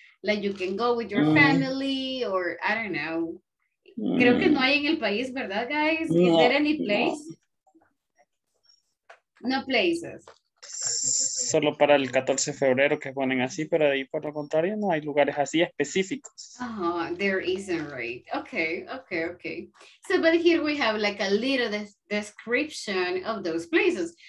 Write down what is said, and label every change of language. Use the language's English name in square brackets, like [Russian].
[English] Like you can go with your family or I don't know. [Spanish] Creo que no hay en el país, ¿verdad, guys? [English] No, is there any place? No. No places. [Spanish] Solo para el 14 de febrero que ponen así, pero de ahí por lo contrario no hay lugares así específicos. [English] Uh-huh, there isn't, right? Okay, okay, okay. So, but here we have like a little description of those places.